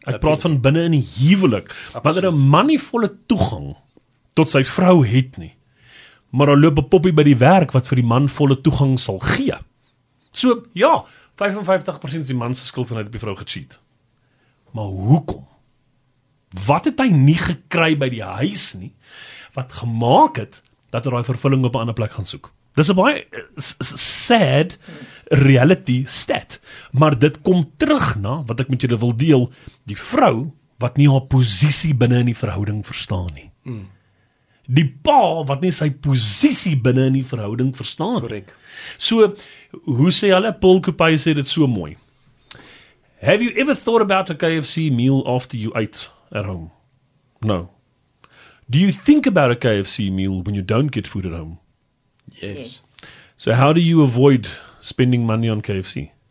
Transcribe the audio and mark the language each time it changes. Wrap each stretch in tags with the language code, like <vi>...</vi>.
<af>Ek praat van binne in die huwelik. Wanneer 'n man nie volle toegang tot sy vrou het nie, maar daar loop 'n poppie by die werk wat vir die man volle toegang sal gee. So, ja, 55% is die man se skuld van hy op die vrou gecheat. Maar hoekom? Wat het hy nie gekry by die huis nie, wat gemaak het dat hy daai vervulling op 'n ander plek gaan soek? Dis 'n baie</af> <en>sad reality stat.</en> <af>Maar dit kom terug na wat ek met julle wil deel. Die vrou wat nie haar posisie binne in die verhouding verstaan nie. Die pa wat nie sy posisie binne in die verhouding verstaan nie.</af> <en>Correct.</en> <af>So, hoe sê hulle? Paul Coupe sê dit so mooi.</af> <en>Have you ever thought about a KFC meal after you ate at home? No. Do you think about a KFC meal when you don't get food at home? Yes. So how do you avoid spending money on KFC?</en>